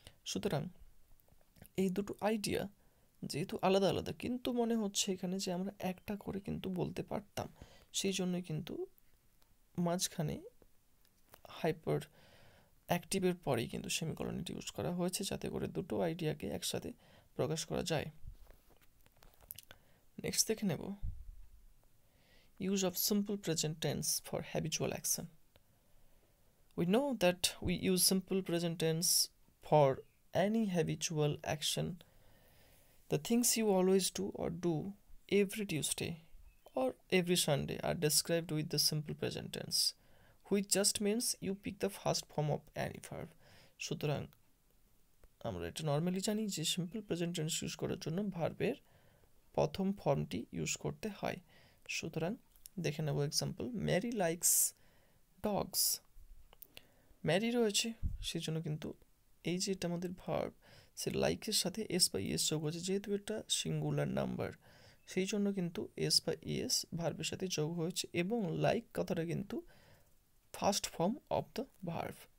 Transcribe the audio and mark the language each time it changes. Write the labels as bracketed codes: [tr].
[bn] সুতরাং এই দুটো আইডিয়া যেহেতু আলাদা আলাদা, কিন্তু মনে হচ্ছে এখানে যে আমরা একটা করে কিন্তু বলতে পারতাম, সেই জন্যই কিন্তু মাঝখানে হাইপার অ্যাক্টিভের পরেই কিন্তু সেমিকলনটি ইউজ করা হয়েছে, যাতে করে দুটো আইডিয়াকে একসাথে প্রকাশ করা যায়। [en] next [bn] দেখে নেব, [en] Use of simple present tense for habitual action. We know that we use simple present tense for any habitual action, the The things you always do or do every Tuesday or every Sunday are described with the simple present tense, which just means you pick the first form of any verb. [bn] সুতরাং আমরা এটা normally জানি যে simple present tense use করার জন্য ভার্বের প্রথম ফর্মটি ইউজ করতে হয়। সুতরাং দেখে নেব example, [en] Mary likes dogs. [bn] Mary রয়েছে সেই জন্য, কিন্তু এই যে এটা আমাদের ভার্ব, সে লাইকের সাথে এস বা ইএস যোগ হয়েছে, যেহেতু এটা সিঙ্গুলার নাম্বার সেই জন্য কিন্তু এস বা ইএস ভার্বের সাথে যোগ হয়েছে, এবং লাইক কথাটা কিন্তু first form of the verb.